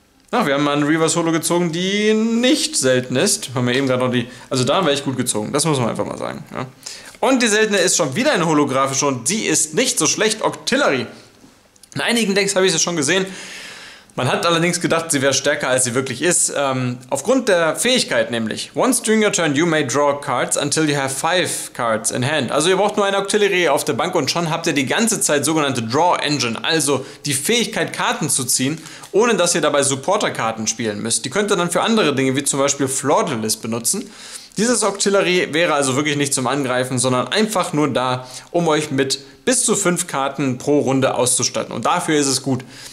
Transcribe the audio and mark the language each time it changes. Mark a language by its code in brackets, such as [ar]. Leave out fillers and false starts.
[de] Ach, wir haben mal einen Reverse Holo gezogen, die nicht selten ist. Haben wir eben gerade noch die. Also da wäre ich gut gezogen, das muss man einfach mal sagen. Ja. Und die seltene ist schon wieder eine holographische und die ist nicht so schlecht. Octillery. In einigen Decks habe ich sie schon gesehen. Man hat allerdings gedacht, sie wäre stärker, als sie wirklich ist. Aufgrund der Fähigkeit nämlich. [en] Once during your turn, you may draw cards until you have 5 cards in hand. [de] Also ihr braucht nur eine Octillery auf der Bank und schon habt ihr die ganze Zeit sogenannte Draw Engine. Also die Fähigkeit, Karten zu ziehen, ohne dass ihr dabei Supporter-Karten spielen müsst. Die könnt ihr dann für andere Dinge, wie zum Beispiel Flawdless benutzen. Dieses Octillery wäre also wirklich nicht zum Angreifen, sondern einfach nur da, um euch mit bis zu 5 Karten pro Runde auszustatten. Und dafür ist es gut.